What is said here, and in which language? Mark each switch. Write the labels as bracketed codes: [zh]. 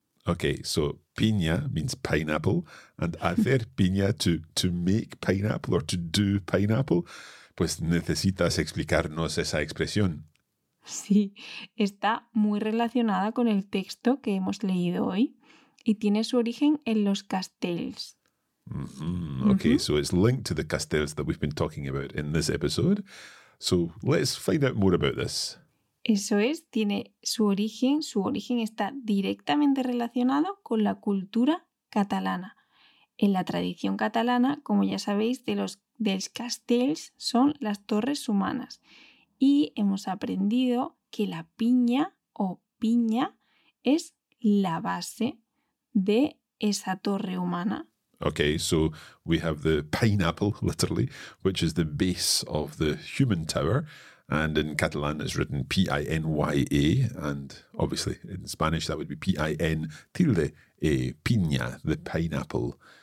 [en] Ok, so piña means pineapple, and hacer piña to make pineapple or to do pineapple, [es] pues necesitas explicarnos esa expresión. Sí, está muy relacionada con el texto que hemos leído hoy y tiene su origen en los castells. Mm-hmm. Ok, mm-hmm. [en] So it's linked to the castells that we've been talking about in this episode. So let's find out more about this. [es] Eso es, tiene su origen está directamente relacionado con la cultura catalana. En la tradición catalana, como ya sabéis, dels castells son las torres humanas. Y hemos aprendido que la piña o piña es la base de esa torre humana. [en] Okay, so we have the pineapple, literally, which is the base of the human tower. And in Catalan, it's written P-I-N-Y-A, and obviously in Spanish, that would be P-I-N tilde A, piña, the pineapple.